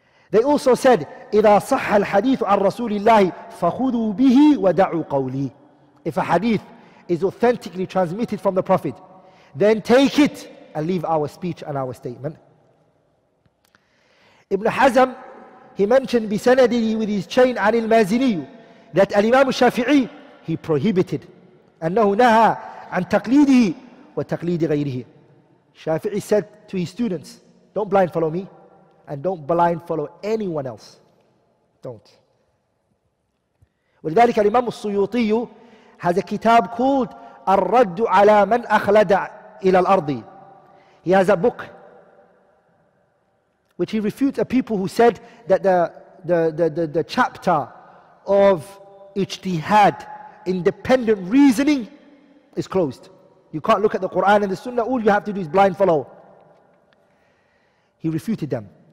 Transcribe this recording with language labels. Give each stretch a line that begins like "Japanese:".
English: They also said,
Arabic: إذا صح الحديث عن رسول الله فخذوا به ودعوا قولي,
English: if a hadith is authentically transmitted from the Prophet, then take it and leave our speech and our statement. Ibn Hazm, he mentioned بسنده with his chain عن المازني, that Al-Imam al-Shafi'i, he prohibited.
Arabic: أنه نهى عن تقليده وتقليد غيره.
English: Shafi'i said to his students, don't blind follow me and don't blind follow anyone else. Don't.
Arabic: ولذلك
English: Al-Imam al-Suyuti has a kitab called الرد على من أخلد إلى الأرض. He has a book which he refutes a people who said that the chapter of ijtihad, independent reasoning, is closed. You can't look at the Quran and the Sunnah, all you have to do is blind follow. He refuted them.